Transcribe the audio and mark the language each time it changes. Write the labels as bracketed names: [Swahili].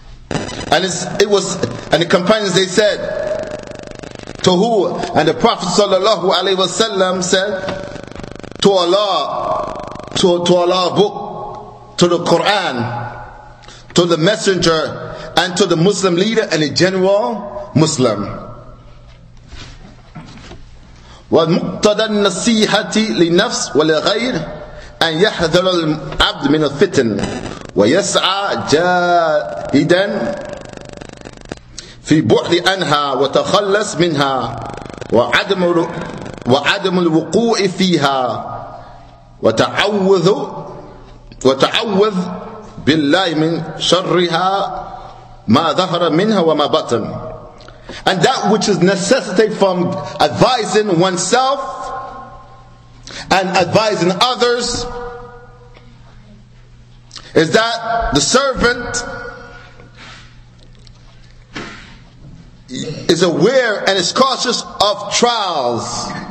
[English] And the companions, they said, to who? And the Prophet sallallahu alaihi wasallam said, to Allah's book, to the Quran, to the messenger, and to the Muslim leader and the general Muslim. [Arabic] والمقتضى النصيحة لنفس ولغير أن يحذر العبد من الفتن ويسعى جاهدا في بعد عنها وتخلص منها وعدم الوقوع فيها وتعوذ بالله من شرها ما ظهر منها وما بطن. [English] And that which is necessitated from advising oneself and advising others is that the servant is aware and is cautious of trials.